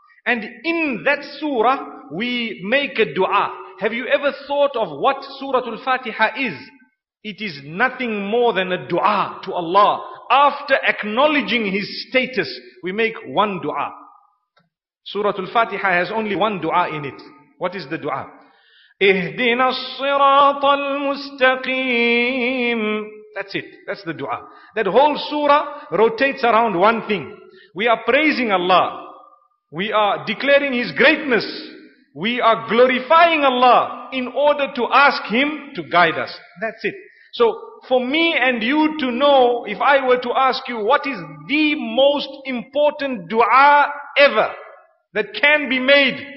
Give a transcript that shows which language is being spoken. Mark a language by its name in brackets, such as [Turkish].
[English] And in that surah, we make a dua. Have you ever thought of what Surah Al-Fatiha is? It is nothing more than a dua to Allah. After acknowledging His status, we make one dua. Surah Al-Fatiha has only one dua in it. What is the dua? [Arabic] Ihdina الصراط المستقيم. [English] That's it. That's the dua. That whole surah rotates around one thing. We are praising Allah. We are declaring His greatness. We are glorifying Allah in order to ask Him to guide us. That's it. So, for me and you to know, if I were to ask you, what is the most important dua ever that can be made?